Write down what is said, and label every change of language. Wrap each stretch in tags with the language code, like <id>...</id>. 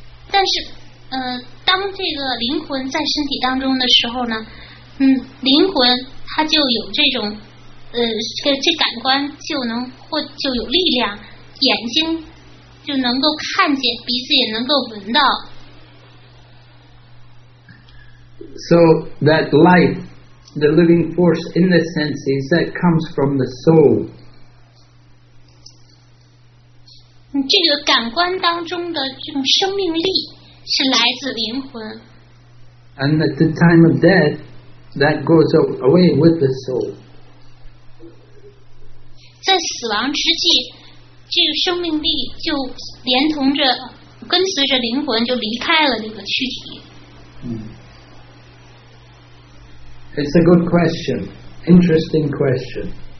<zh>但是，当这个灵魂在身体当中的时候呢？灵魂它就有这种这感官就能或就有力量，眼睛就能够看见，鼻子也能够闻到。</zh> <en>So that life, the living force in the senses, that comes from the soul.</en> <zh>这个感官当中的这种生命力是来自灵魂。</zh> <en>And at the time of death,That goes away with the soul.</en> <zh>在死亡之际，这个生命力就连同着跟随着灵魂就离开了这个躯体。</zh> <en>It's a good question. Interesting question.</en>